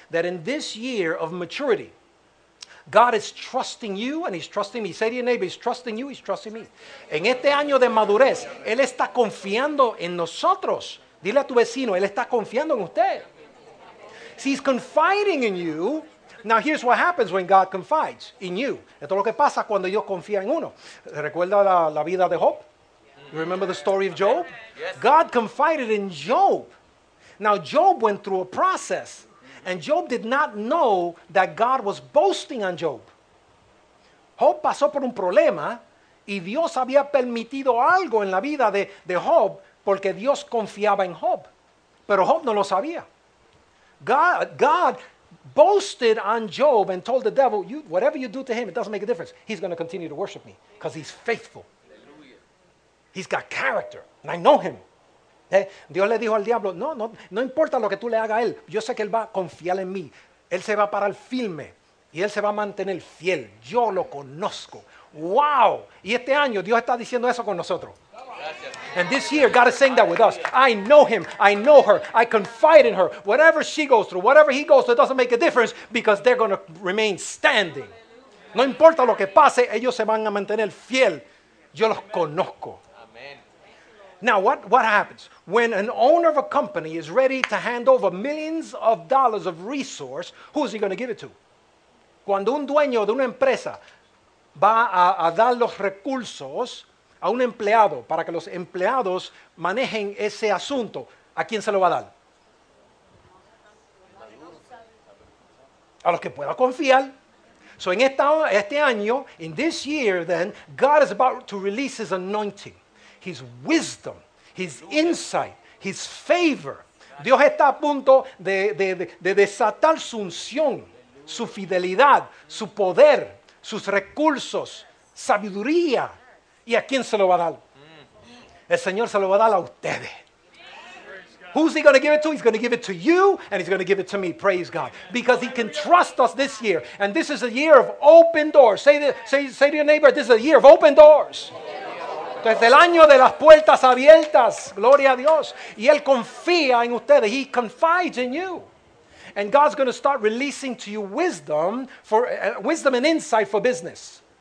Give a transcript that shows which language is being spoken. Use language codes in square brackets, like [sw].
[en] That in this year of maturity, God is trusting you and he's trusting me. Say to your neighbor, he's trusting you, he's trusting me. [es] En este año de madurez, él está confiando en nosotros. Dile a tu vecino, él está confiando en usted. [en] He's confiding in you. Now here's what happens when God confides in you. [es] Esto es lo que pasa cuando Dios confía en uno. ¿Recuerda la vida de Job? [en] You remember the story of Job? God confided in Job. Now Job went through a process. And Job did not know that God was boasting on Job. [es] Job pasó por un problema y Dios había permitido algo en la vida de Job porque Dios confiaba en Job. Pero Job no lo sabía. [en] God boasted on Job and told the devil, "You, whatever you do to him, it doesn't make a difference. He's going to continue to worship me because he's faithful. He's got character and I know him." [es] Dios le dijo al diablo, no importa lo que tú le hagas a él, yo sé que él va a confiar en mí. Él se va a parar firme y él se va a mantener fiel. Yo lo conozco. ¡Wow! Y este año Dios está diciendo eso con nosotros. [en] And this year, God is saying that with us. I know him. I know her. I confide in her. Whatever she goes through, whatever he goes through, it doesn't make a difference because they're going to remain standing. [es] No importa lo que pase, ellos se van a mantener fiel. Yo los conozco. [en] Now, what happens when an owner of a company is ready to hand over millions of dollars of resource? Who is he going to give it to? [es] Cuando un dueño de una empresa va a dar los recursos a un empleado para que los empleados manejen ese asunto, ¿a quién se lo va a dar? A los que pueda confiar. [en] So [es] en este año, [en] in this year then, God is about to release his anointing. His wisdom, his insight, his favor. [es] Dios está a punto de desatar su unción, su fidelidad, su poder, sus recursos, sabiduría. ¿Y a quién se lo va a dar? El Señor se lo va a dar a ustedes. [en] Who's he going to give it to? He's going to give it to you and he's going to give it to me. Praise God. Because he can trust us this year. And this is a year of open doors. Say to your neighbor, this is a year of open doors. [es] Desde el año de las puertas abiertas, gloria a Dios. Y él confía en ustedes. [en] He confides in you. And God's going to start releasing to you wisdom for wisdom and insight for business.